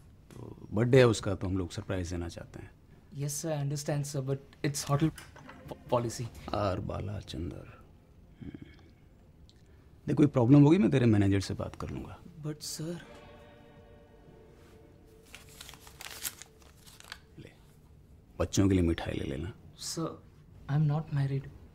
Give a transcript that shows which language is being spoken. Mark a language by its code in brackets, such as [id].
[hi] तो बर्थडे है उसका, तो हम लोग सरप्राइज देना चाहते हैं। [en] Yes, sir, I understand, sir, but it's hotel policy. [hi] Are बाला चंदर। देख, कोई प्रॉब्लम होगी मैं तेरे मैनेजर से बात कर लूँगा। [en] But, sir. [hi] बच्चों के लिए मिठाई ले लेना। [en] Sir, I am not married.